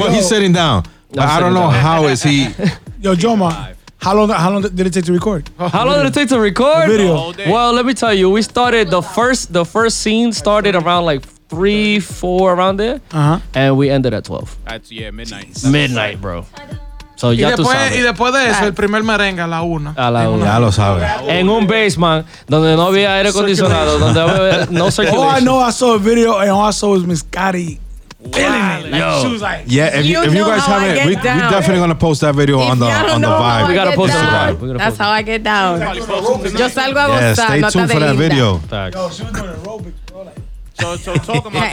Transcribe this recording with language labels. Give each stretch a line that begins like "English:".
English: Well, he's sitting down. But I don't know down. How is he. Yo, Jomar. How long did it take to record? How long did it take to record? The video. Well, let me tell you. We started the first scene started around like 3-4 around there. Uh-huh. And we ended at 12. That's midnight. Bro. So
Spanish: ya tú sabes. Y después de eso, el primer merengue a la una. Ya lo sabes. En un basement donde no había aire acondicionado, donde no circulation.
English: Oh, I know I saw a video and also was Miss Cari. Wow. Yeah, if you guys haven't, we definitely gonna post that video if on the Vibe. We gotta post down. The Vibe. That's how I get down.
Spanish: Yo salgo a gozar.
English: Yeah, stay tuned for that video. Yo, she was doing aerobics, bro. So talking about